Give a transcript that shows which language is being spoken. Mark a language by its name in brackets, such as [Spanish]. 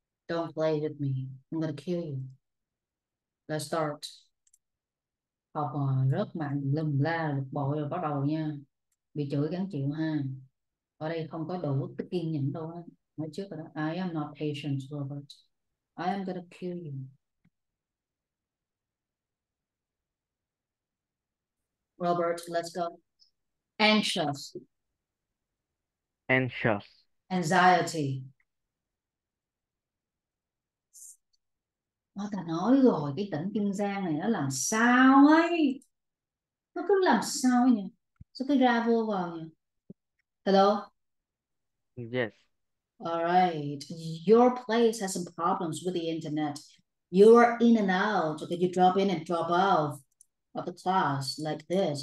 [English] Don't play with me. I'm gonna kill you. Let's start. [Vietnamese] học rớt mạng lùm la bực bội rồi bắt đầu nha, bị chửi gắn chịu ha, ở đây không có đủ cái kiên nhẫn đâu, nói trước rồi đó. [English] I am not patient, Robert. I am gonna kill you. Robert, let's go. Anxious. Anxious. Anxiety. [Vietnamese] Nó ta nói rồi, cái tỉnh Kiên Giang này nó làm sao ấy, nó cứ làm sao ấy nhỉ, sao cứ ra vô vào nhỉ. [English] Hello. Yes. Alright, your place has some problems with the internet. You are in and out, okay? You drop in and drop out of the class like this.